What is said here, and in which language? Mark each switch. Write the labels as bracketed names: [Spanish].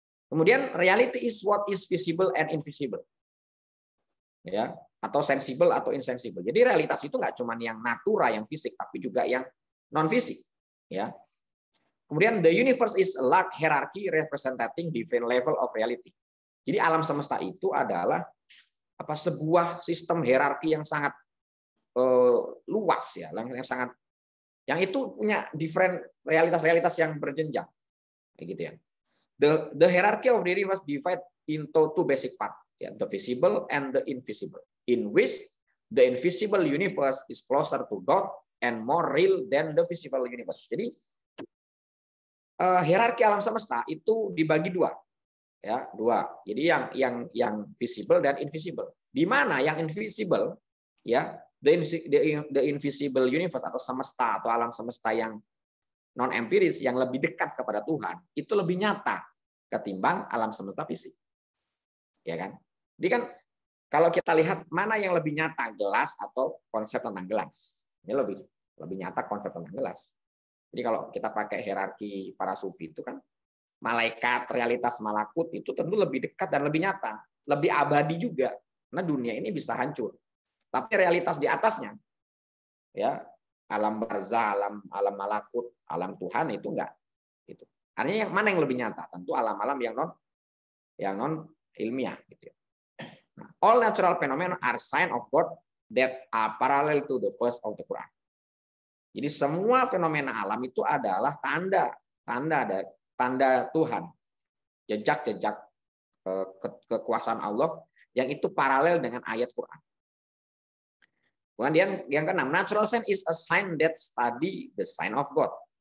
[Indonesian] Kemudian [English] reality is what is visible and invisible. [Indonesian] Ya, atau sensible atau insensible. Jadi realitas itu enggak cuma yang natura yang fisik tapi juga yang non-fisik, ya. Kemudian [English] the universe is a large hierarchy representing different level of reality. [Indonesian] Jadi alam semesta itu adalah apa sebuah sistem hierarki yang sangat luas ya, yang sangat yang itu punya different realitas-realitas yang berjenjang. Kayak gitu ya. [English] The hierarchy of the universe divide into two basic part, ya, the visible and the invisible, in which the invisible universe is closer to God and more real than the visible universe. Jadi [Indonesian] Hierarki alam semesta itu dibagi dua, ya dua. Jadi yang visible dan invisible. Di mana yang invisible, ya [English] the invisible universe [Indonesian] atau semesta atau alam semesta yang non empiris yang lebih dekat kepada Tuhan itu lebih nyata ketimbang alam semesta fisik, ya kan? Jadi kan kalau kita lihat mana yang lebih nyata gelas atau konsep tentang gelas, ini lebih nyata konsep tentang gelas. Jadi kalau kita pakai hierarki para sufi itu kan malaikat, realitas malakut itu tentu lebih dekat dan lebih nyata, lebih abadi juga. Karena dunia ini bisa hancur. Tapi realitas di atasnya, ya, alam barzah, alam malakut, alam Tuhan itu enggak. Itu. Artinya yang mana yang lebih nyata? Tentu alam-alam yang non ilmiah gitu ya. [English] Nah, all natural phenomena are sign of God that are parallel to the verse of the Quran. [Indonesian] Jadi semua fenomena alam itu adalah tanda Tuhan, jejak-jejak kekuasaan Allah yang itu paralel dengan ayat Quran. Kemudian yang keenam, [English] natural sign is a sign that study the sign of God.